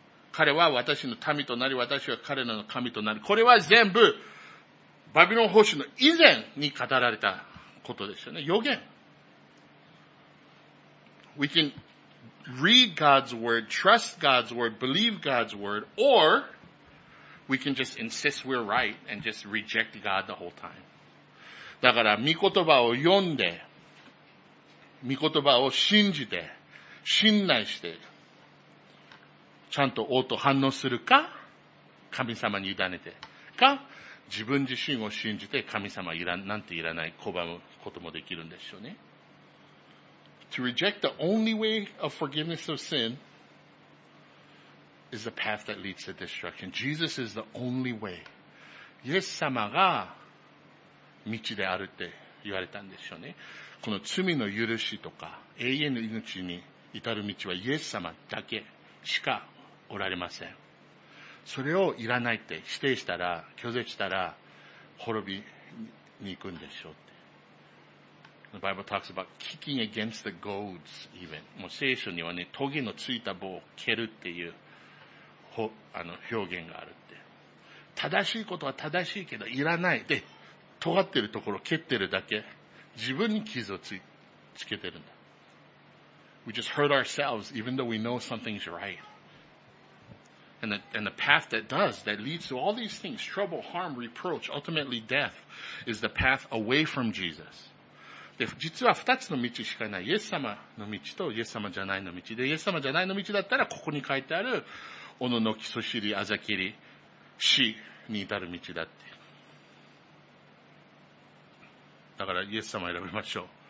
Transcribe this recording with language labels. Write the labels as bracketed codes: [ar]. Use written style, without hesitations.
[ja] 彼は私の民となり、私は彼らの神となる。これは全部、バビロン捕囚の以前に語られたことですよね。予言。 [en] We can read God's word, trust God's word, believe God's word, or we can just insist we're right and just reject God the whole time. [ja] だから、御言葉を読んで、御言葉を信じて、信頼して、ちゃんと応答反応するか、神様に委ねてか、自分自身を信じて神様なんていらない拒むこともできるんですよね。 [en] To reject the only way of forgiveness of sin is the path that leads to destruction. Jesus is the only way. [ja] イエス様が道であるって言われたんですよね。この罪の許しとか永遠の命に至る道はイエス様だけしかおられません。それをいらないって否定したら、拒絶したら滅びに行くんでしょう。 [en] The Bible talks about kicking against the goads even. [ja] もう聖書にはね、トゲのついた棒を蹴るっていう表現があるって。正しいことは正しいけど、いらない。で、尖ってるところを蹴ってるだけ。自分に傷をつけてるんだ。 [en] We just hurt ourselves even though we know something's right. And the path that does, that leads to all these things, trouble, harm, reproach, ultimately death, is the path away from Jesus. [ja] で、実は二つの道しかない。イエス様の道とイエス様じゃないの道。で、イエス様じゃないの道だったら、ここに書いてある、おののき、そしり、あざきり、死に至る道だって。だから、イエス様選びましょう。